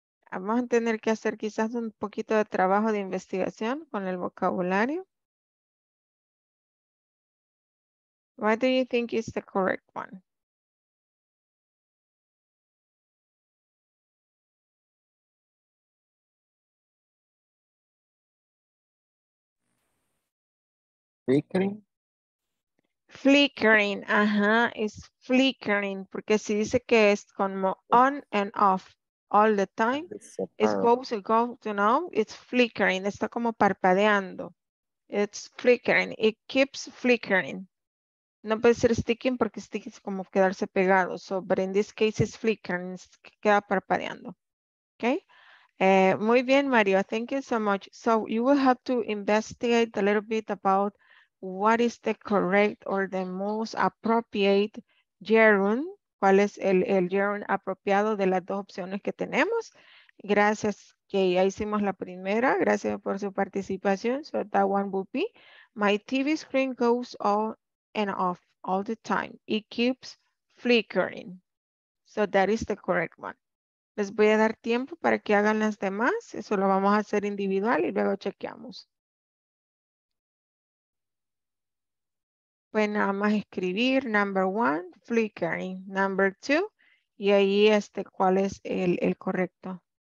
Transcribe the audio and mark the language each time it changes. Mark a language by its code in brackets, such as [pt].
[es] Vamos a tener que hacer quizás un poquito de trabajo de investigación con el vocabulario. [en] What do you think is the correct one? Flickering. Flickering, [es] ajá, es flickering, porque si dice que es como [en] on and off all the time, it's supposed to go, you know, it's flickering, [es] está como parpadeando. [en] It's flickering, it keeps flickering. [es] No puede ser sticking porque sticking es como quedarse pegado. [en] So, but in this case, it's flickering, it's [es] queda parpadeando. [en] Okay. [es] Muy bien, [en] Mario, thank you so much. So you will have to investigate a little bit about what is the correct or the most appropriate gerund. [es] ¿Cuál es el gerund apropiado de las dos opciones que tenemos? Gracias, que ya hicimos la primera. Gracias por su participación. [en] So that one would be, my TV screen goes on and off all the time. It keeps flickering. So that is the correct one. [es] Les voy a dar tiempo para que hagan las demás. Eso lo vamos a hacer individual y luego chequeamos. Pues nada más escribir, [en] number one, [es] flickering, [en] number two, [es] y ahí cuál es el correcto.